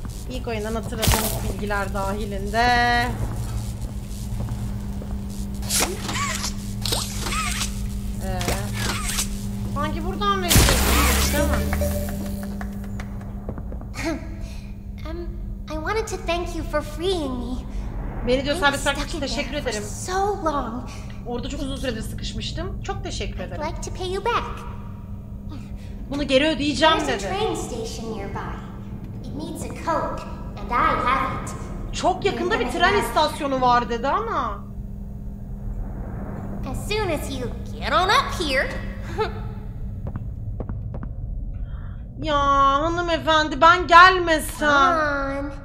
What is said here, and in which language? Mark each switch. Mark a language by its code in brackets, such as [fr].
[tr] İlk oyundan hatırladığımız bilgiler dahilinde. Sanki buradan mı geçiyoruz, tamam. [en] I wanted to thank you for freeing me. [tr] Beni diyor sabit sıkıştı. Teşekkür ederim. [en] So long. [tr] Orada çok uzun süredir sıkışmıştım. Çok teşekkür ederim. [en] I'd like to pay you back. [tr] Bunu geri ödeyeceğim dedi. [en] There's a train station nearby. It needs a coke. And I have it. [tr] Çok yakında bir tren istasyonu var dedi ama. [en] As soon as you get on up here. [tr] Ya hanımefendi ben gelmesem.